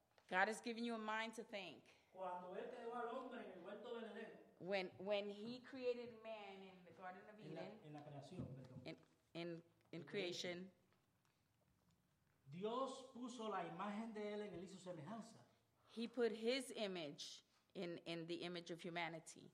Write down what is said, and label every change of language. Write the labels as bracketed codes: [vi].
[en] God has given you a mind to think. When he created man in the Garden of Eden, in creation, [es] Dios puso la imagen de él en él y su semejanza. [en] He put his image in the image of humanity.